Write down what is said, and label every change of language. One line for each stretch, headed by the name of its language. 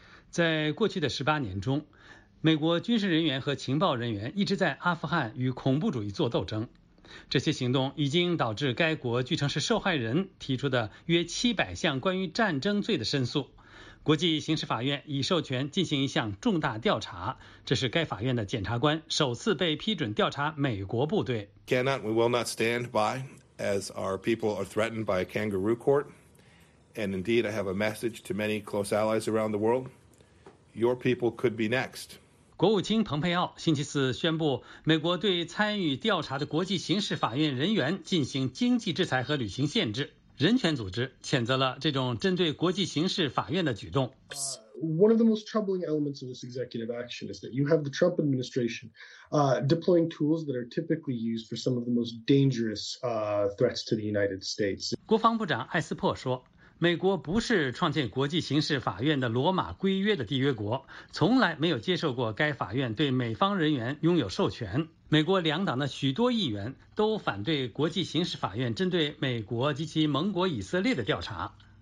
Chinese: 在过去的18年中，美国军事人员和情报人员一直在阿富汗与恐怖主义作斗争，这些行动已经导致该国据称是受害人提出的约700项关于战争罪的申诉。国际刑事法院已授权进行一项重大调查，这是该法院的检察官首次被批准调查美国部队。
English: Cannot, we will not stand by as our people are threatened by a kangaroo court. And indeed, I have a message to many close allies around the world. Your people could be next.
Chinese: 国务卿蓬佩奥星期四宣布，美国对参与调查的国际刑事法院人员进行经济制裁和旅行限制。人权组织谴责了这种针对国际刑事法院的举动。
English: One of the most troubling elements of this executive action is that you have the Trump administration, deploying tools that are typically used for some of the most dangerous, threats to the United States.
Chinese: 国防部长艾斯珀说，美国不是创建国际刑事法院的罗马规约的缔约国，从来没有接受过该法院对美方人员拥有授权。美国两党的许多议员都反对国际刑事法院针对美国及其盟国以色列的调查。